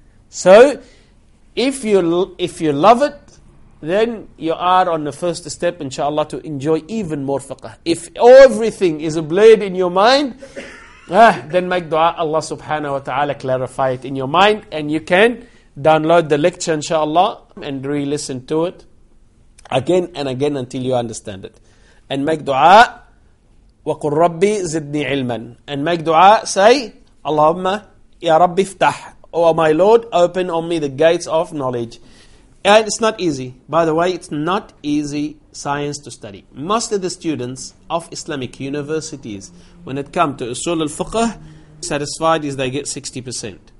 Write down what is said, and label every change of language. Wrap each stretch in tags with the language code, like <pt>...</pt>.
<en>So, if you love it, then you are on the first step, inshallah, to enjoy even more fiqh. If everything is a blade in your mind, then make dua, Allah subhanahu wa ta'ala clarify it in your mind, and you can download the lecture, inshallah, and re-listen to it again and again until you understand it. And make dua,</en> <ar>وَقُلْ رَبِّ زِدْنِي عِلْمًا.</ar> <en>And make dua, say,</en> <ar>اللهم يا ربي افتح.</ar> <en>Oh my Lord, open on me the gates of knowledge. And it's not easy. By the way, it's not easy science to study. Most of the students of Islamic universities, when it comes to usul al-fiqh, satisfied is they get 60%.</en>